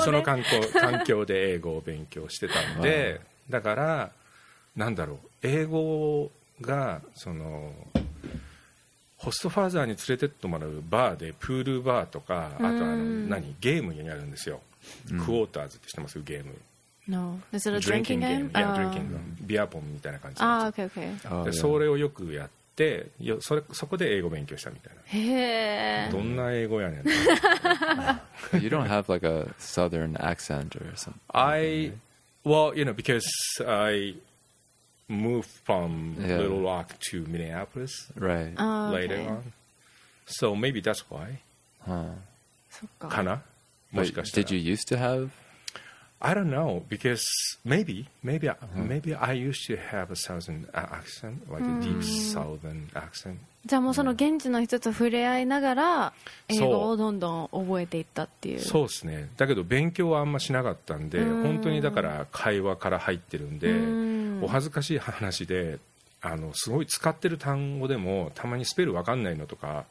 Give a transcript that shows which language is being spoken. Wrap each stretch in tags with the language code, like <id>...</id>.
<ja>その環境で英語を勉強してたんで、だからなんだろう、英語がそのホストファーザーに連れてってもらうバーでプールバーとか、あとゲームにあるんですよ。クォーターズって知ってます？ゲーム。</ja> <en>No. Is it a drinking game? Yeah, drinking game.</en> <ja>ビアポンみたいな感じ。ああ、OK, OK. で、それをよくやって、そこで英語勉強したみたいな。へー。どんな英語やねん。</ja> <en>You don't have like a southern accent or something. I, well, you know, because I moved from Little Rock to Minneapolis later on. So maybe that's why.</en> <ja>かな？もしかしたら。</ja> <en>Did you used to have? I don't know, because maybe I used to have a southern accent, like a deep southern accent.</en> <ja>じゃあもうその現地の人と触れ合いながら英語をどんどん覚えていったっていう。そうですね。だけど勉強はあんましなかったんで、本当にだから会話から入ってるんで、お恥ずかしい話で、あのすごい使ってる単語でもたまにスペル分かんないのとか、</ja>